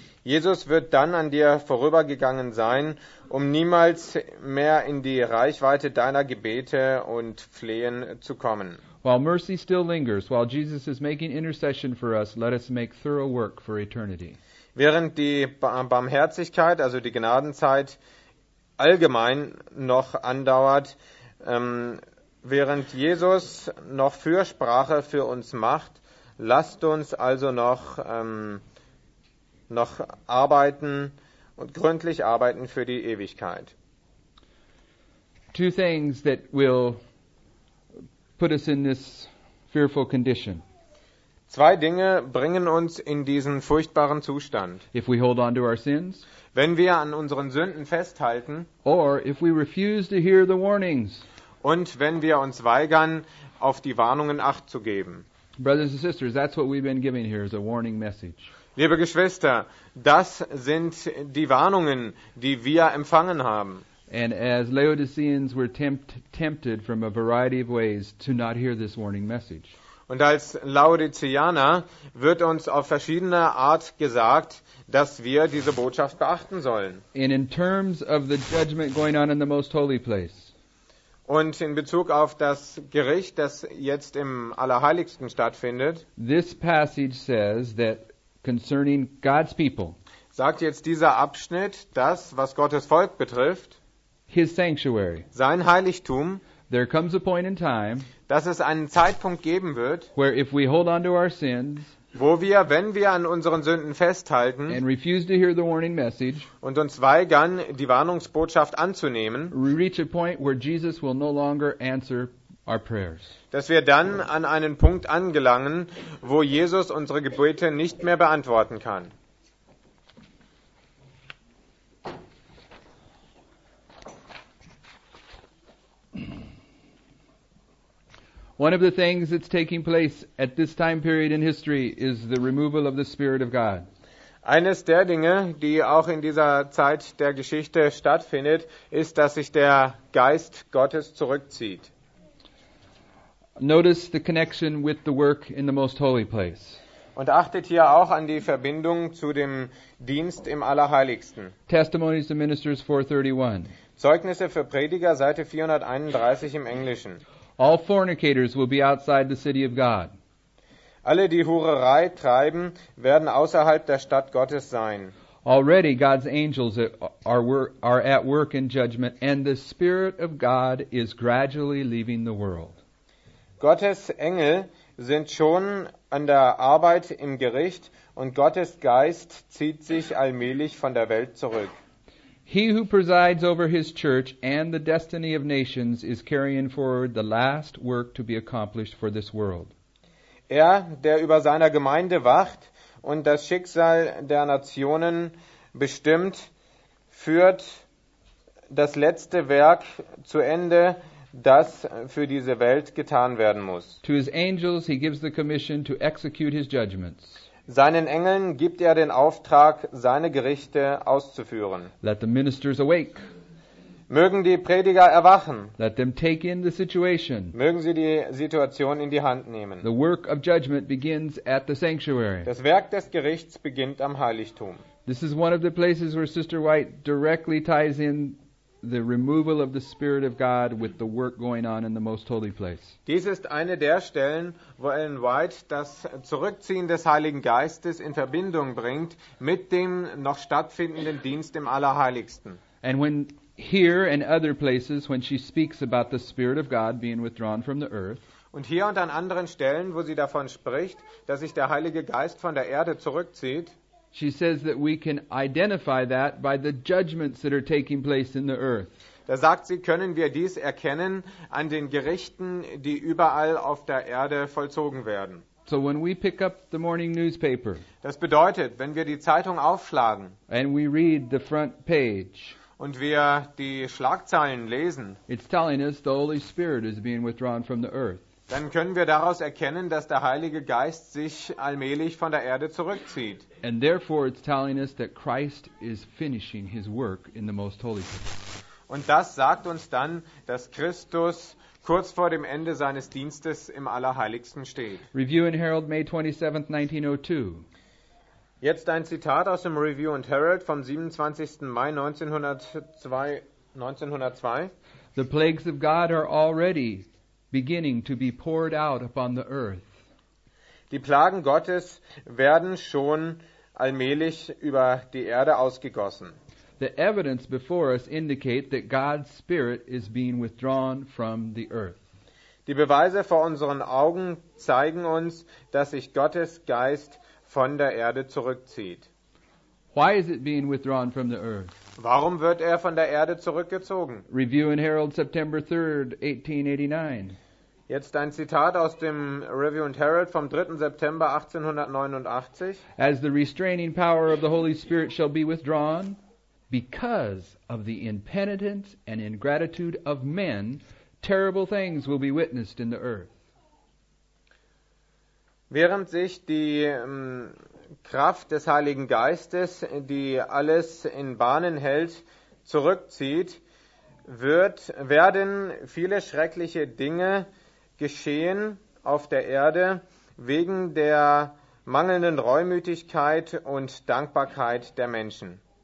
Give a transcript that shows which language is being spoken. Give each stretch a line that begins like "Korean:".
German: Jesus wird dann an dir vorübergegangen sein, um niemals mehr in die Reichweite deiner Gebete und Flehen zu kommen.
English: While mercy still lingers, while Jesus is making intercession for us, let us make thorough work for eternity.
German: Während die Barmherzigkeit, also die Gnadenzeit, allgemein noch andauert, während Jesus noch Fürsprache für uns macht, lasst uns also noch arbeiten und gründlich arbeiten für die Ewigkeit.
English: Two things that will put us in this fearful condition.
German: Zwei Dinge bringen uns in diesen furchtbaren Zustand.
English: If we hold on to our sins,
German: wenn wir an unseren Sünden festhalten,
English: or if we refuse to hear the warnings,
German: und wenn wir uns weigern, auf die Warnungen Acht zu geben.
English: Brothers and sisters, that's what we've been giving here, is a warning message.
German: Liebe Geschwister, das sind die Warnungen, die wir empfangen haben.
English: And as Laodiceans were tempted from a variety of ways to not hear this warning message.
German: Und als Laodiceaner wird uns auf verschiedene Art gesagt, dass wir diese Botschaft beachten sollen.
English: And in terms of the judgment going on in the most holy place.
German: Und in Bezug auf das Gericht, das jetzt im Allerheiligsten stattfindet.
English: This passage says that concerning God's people.
German: Sagt jetzt dieser Abschnitt das, was Gottes Volk betrifft?
English: His sanctuary.
German: Sein Heiligtum.
English: There comes a point in time.
German: Dass es einen Zeitpunkt geben wird.
English: Where if we hold on to our sins.
German: Wo wir, wenn wir an unseren Sünden festhalten.
English: And refuse to hear the warning message.
German: Und uns weigern, die Warnungsbotschaft anzunehmen.
English: We reach a point where Jesus will no longer answer our prayers.
German: Dass wir dann an einen Punkt angelangen, wo Jesus unsere Gebete nicht mehr beantworten kann.
English: One of the things that's taking place at this time period in history is the removal of the Spirit of God.
German: Eines der Dinge, die auch in dieser Zeit der Geschichte stattfindet, ist, dass sich der Geist Gottes zurückzieht.
English: Notice the connection with the work in the most holy place.
German: Und achtet hier auch an die Verbindung zu dem Dienst im Allerheiligsten.
English: Testimonies to Ministers 431.
German: Zeugnisse für Prediger, Seite 431 im Englischen.
English: All fornicators will be outside the city of God.
German: Alle, die Hurerei treiben, werden außerhalb der Stadt Gottes sein.
English: Already God's angels are at work in judgment, and the Spirit of God is gradually leaving the world.
German: Gottes Engel sind schon an der Arbeit im Gericht und Gottes Geist zieht sich allmählich von der Welt zurück.
English: He who presides over his church and the destiny of nations is carrying forward the last work to be accomplished for this world.
German: Er, der über seiner Gemeinde wacht und das Schicksal der Nationen bestimmt, führt das letzte Werk zu Ende, das für diese Welt getan werden muss.
English: To his angels he gives the commission to execute his judgments.
German: Seinen Engeln gibt er den Auftrag, seine Gerichte auszuführen.
English: Let the ministers awake.
German: Mögen die Prediger erwachen.
English: Let them take in the situation.
German: Mögen sie die Situation in die Hand nehmen.
English: The work of judgment begins at the sanctuary.
German: Das Werk des Gerichts beginnt am Heiligtum.
English: This is one of the places where Sister White directly ties in the removal of the Spirit of God with the work going on in the most holy place.
German: Dies ist eine der Stellen, wo Ellen White das Zurückziehen des Heiligen Geistes in Verbindung bringt mit dem noch stattfindenden Dienst im Allerheiligsten.
English: And when here and other places, when she speaks about the Spirit of God being withdrawn from the earth,
German: und hier und an anderen Stellen, wo sie davon spricht, dass sich der Heilige Geist von der Erde zurückzieht,
English: she says that we can identify that by the judgments that are taking place in the earth.
German: Da sagt sie, können wir dies erkennen an den Gerichten, die überall auf der Erde vollzogen werden.
English: So when we pick up the morning newspaper,
German: das bedeutet, wenn wir die Zeitung aufschlagen,
English: and we read the front page,
German: und wir die Schlagzeilen lesen,
English: it's telling us the Holy Spirit is being withdrawn from the earth.
German: Dann können wir daraus erkennen, dass der Heilige Geist sich allmählich von der Erde zurückzieht.
English: And therefore it's telling us that Christ is finishing his work in the most holy place.
German: Und das sagt uns dann, dass Christus kurz vor dem Ende seines Dienstes im Allerheiligsten steht.
English: Review and Herald, May 27, 1902.
German: Jetzt ein Zitat aus dem Review and Herald vom 27. Mai 1902.
English: The plagues of God are already beginning to be poured out upon the earth.
German: Die Plagen Gottes werden schon allmählich über die Erde ausgegossen.
English: The evidence before us indicate that God's Spirit is being withdrawn from the earth.
German: Die Beweise vor unseren Augen zeigen uns, dass sich Gottes Geist von der Erde zurückzieht.
English: Why is it being withdrawn from the earth?
German: Warum wird er von der Erde zurückgezogen?
English: Review and Herald, September 3, 1889.
German: Jetzt ein Zitat aus dem Review and Herald vom 3. September 1889.
English: As the restraining power of the Holy Spirit shall be withdrawn, because of the impenitence and ingratitude of men, terrible things will be witnessed in the earth.
German: Während sich die Kraft des Heiligen Geistes, die alles in Bahnen hält, zurückzieht, werden viele schreckliche Dinge geschehen auf der Erde wegen der mangelnden Reumütigkeit und Dankbarkeit der Menschen.